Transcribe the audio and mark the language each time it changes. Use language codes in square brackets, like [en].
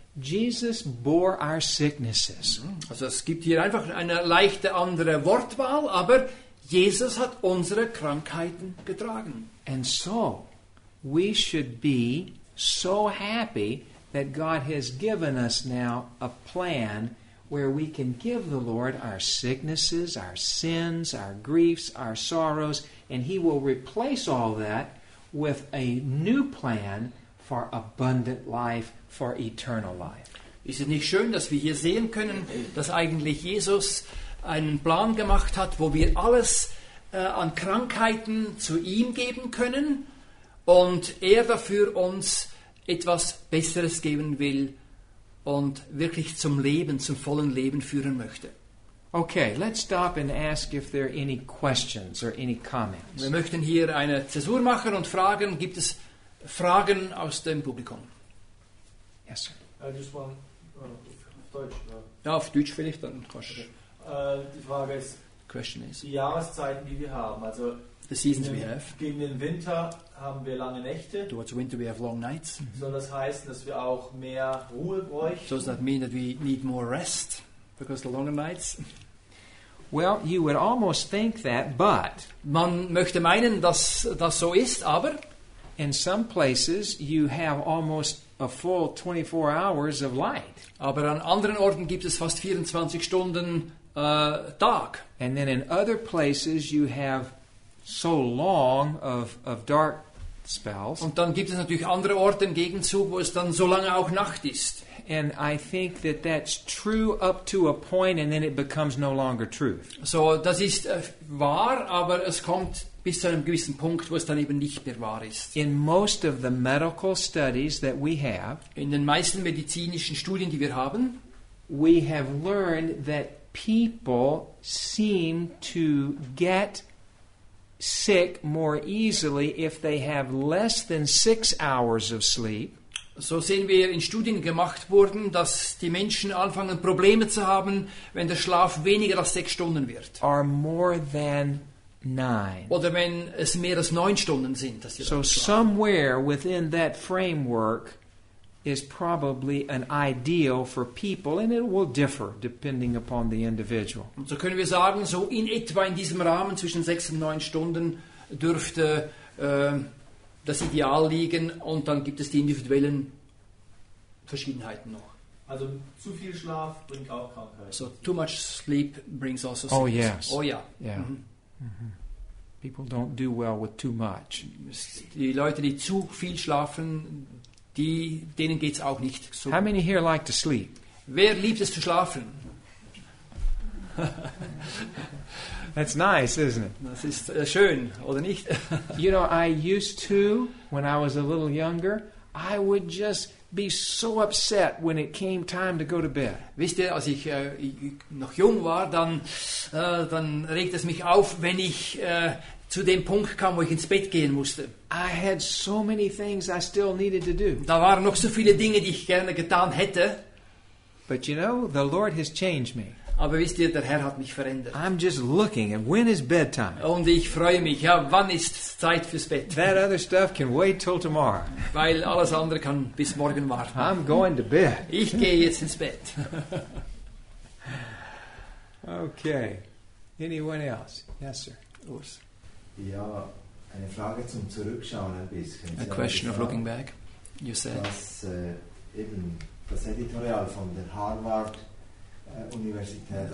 [en] Jesus bore our sicknesses. [de] Also es gibt hier einfach eine leichte andere Wortwahl, aber Jesus hat unsere Krankheiten getragen. [en] And so we should be so happy that God has given us now a plan where we can give the Lord our sicknesses, our sins, our griefs, our sorrows, and he will replace all that with a new plan for abundant life, for eternal life. [de] Ist es nicht schön, dass wir hier sehen können, dass eigentlich Jesus einen Plan gemacht hat, wo wir alles an Krankheiten zu ihm geben können und er dafür uns etwas Besseres geben will und wirklich zum Leben, zum vollen Leben führen möchte. [en] Okay, let's stop and ask if there are any questions or any comments. [de] Wir möchten hier eine Zäsur machen und fragen, gibt es Fragen aus dem Publikum? [en] Yes, sir. Just one, [de] auf Deutsch. Ja, auf Deutsch vielleicht, dann kannst du. Die Frage ist, [en] question is, [de] die Jahreszeiten, die wir haben, also [en] the seasons [de] gegen, [en] we have. [de] Gegen den Winter haben wir lange Nächte. [en] Towards winter we have long nights. Mm-hmm. [de] Soll das heißen, dass wir auch mehr Ruhe bräuchten? [en] Does that mean that we need more rest? Because the longer nights. Well, you would almost think that, but [de] man möchte meinen, dass das so ist, aber [en] in some places you have almost a full 24 hours of light. [de] Aber an anderen Orten gibt es fast 24 Stunden Tag. [en] And then in other places you have so long of dark spells. [de] Und dann gibt es natürlich andere Orte im Gegenzug, wo es dann so lange auch Nacht ist. [en] And I think that that's true up to a point, and then it becomes no longer truth. [de] So, das ist wahr, aber es kommt bis zu einem gewissen Punkt, wo es dann eben nicht mehr wahr ist. [en] In most of the medical studies that we have, [de] in den meisten medizinischen Studien, die wir haben, [en] we have learned that people seem to get sick more easily if they have less than 6 hours of sleep. [de] So sehen wir in Studien gemacht worden, dass die Menschen anfangen Probleme zu haben, wenn der Schlaf weniger als 6 Stunden wird. [en] Are more than 9. [de] Oder wenn es mehr als 9 Stunden sind. Dass sie [en] so somewhere within that framework is probably an ideal for people, and it will differ depending upon the individual. [de] Und so können wir sagen, so in etwa in diesem Rahmen zwischen 6 und 9 Stunden dürfte das Ideal liegen, und dann gibt es die individuellen Verschiedenheiten noch. Also zu viel Schlaf bringt auch Krankheiten. [en] So too much sleep brings also sickness. Oh yes. [de] Oh ja. Yeah. Mm-hmm. [en] People don't do well with too much. [de] Die Leute, die zu viel schlafen, die, denen geht es auch nicht so. [en] How many here like to sleep? [de] Wer liebt es zu schlafen? [en] That's nice, isn't it? [de] Das ist schön, oder nicht? [en] You know, I used to, when I was a little younger, I would just be so upset when it came time to go to bed. [de] Wisst ihr, als ich noch jung war, dann regt es mich auf, wenn ich zu dem Punkt kam, wo ich ins Bett gehen musste. [en] I had so many things I still needed to do. [de] Da waren noch so viele Dinge, die ich gerne getan hätte. [en] But you know, the Lord has changed me. [de] Aber wisst ihr, der Herr hat mich verändert. [en] I'm just looking, and when is bedtime? [de] Und ich freue mich, ja, wann ist Zeit fürs Bett? [en] That other stuff can wait till tomorrow. [de] Weil alles andere kann bis morgen warten. [en] I'm going to bed. [de] Ich gehe jetzt ins Bett. [en] Okay. Anyone else? Yes, sir. Urs. [de] Ja, eine Frage zum Zurückschauen ein bisschen. [en] A question of looking back, you said. [de] Das, eben das Editorial von der Harvard Universität,